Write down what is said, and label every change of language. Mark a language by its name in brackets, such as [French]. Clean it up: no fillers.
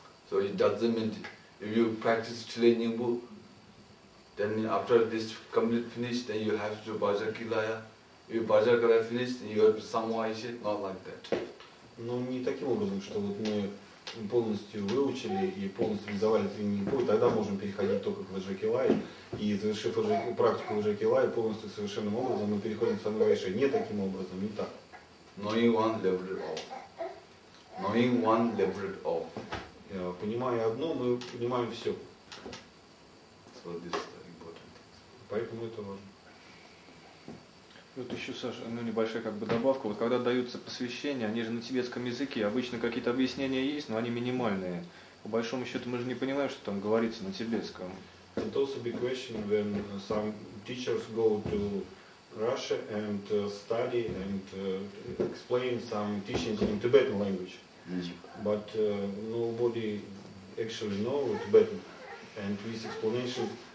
[English] So it doesn't mean if you practice Chilenyimbu, then after this complete finish, then you have to Bajakilaya. If Bajakilaya finished, then you have Samvaisi, not like that. [Russian] Но не таким образом, что вот мы полностью выучили и полностью реализовали тренингу, и тогда можем переходить только к Вайджакилай, и завершив практику Вайджакилай полностью совершенным образом, мы переходим к Самвайши. Не таким образом, не так. [English] Knowing one level it all. Knowing one level it all. [Russian] Понимая одно, мы понимаем все. [English] So this is the important thing. [Russian] Поэтому это важно. Вот еще, Саша, ну небольшая как бы добавка. Вот когда даются посвящения, они же на тибетском языке. Обычно какие-то объяснения есть, но они минимальные. По большому счету мы же не понимаем, что там говорится на тибетском. [English] It also be question when some teachers go to Russia and study and explain some teachings in Tibetan language. But nobody actually know Tibetan. And this explanation